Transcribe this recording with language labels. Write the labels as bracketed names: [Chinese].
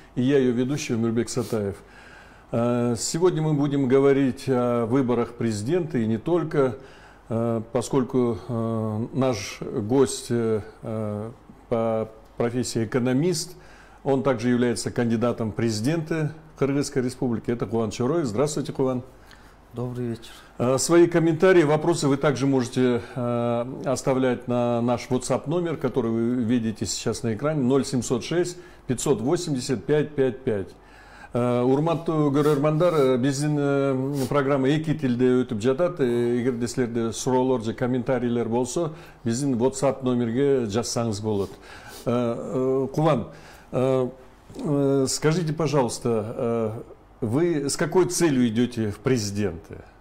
[Russian] И я ее ведущий Мирбек Сатаев. Сегодня мы будем говорить о выборах президента и не только, поскольку наш гость по профессии экономист, он также является кандидатом в президенты Кыргызской республики. Это Куан Чороев. Здравствуйте, Куан. Добрый вечер. Свои комментарии, вопросы вы также можете оставлять на наш WhatsApp номер, который вы видите сейчас на экране, 0706-580-555. [Kyrgyz] Урмату Гөрөрмандар, биздин программа эки тилде өтүп жатат. Эгер де силерде суроолор же комментарийлер болсо, биздин WhatsApp номерге жазсаңыз болот. [Russian] Куан, скажите, пожалуйста, вы с какой целью идете в президенты?